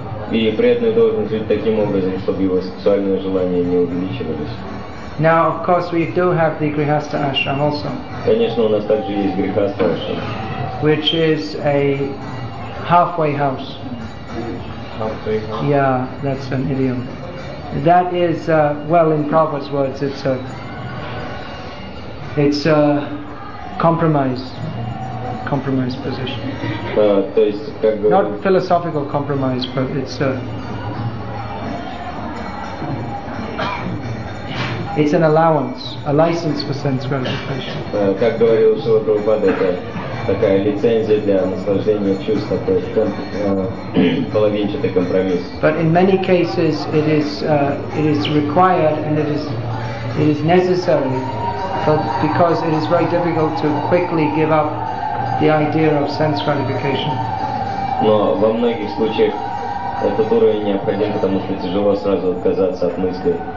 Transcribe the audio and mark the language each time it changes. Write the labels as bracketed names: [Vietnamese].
[Russian] И преданный должен жить таким образом, чтобы его сексуальные желания не увеличивались. [English] Now, of course, we do have the Grihastha Ashram also. [Russian] Конечно, у нас также есть Грихастха Ашрам. [English] Which is a halfway house. Halfway house? Yeah, that's an idiom. That is, in Prabhupada's words, it's a compromise position. [Russian] То есть, как бы... [English] Not philosophical compromise, but it's a... It's an allowance, a license for sense gratification. [Russian] Как говорил Шрила Прабхупада, это такая лицензия для наслаждения чувств, это половинчатый компромисс. [English] But in many cases it is required and it is necessary, but because it is very difficult to quickly give up the idea of sense gratification. [Russian] Но во многих случаях этот уровень необходим, потому что тяжело сразу отказаться от мысли.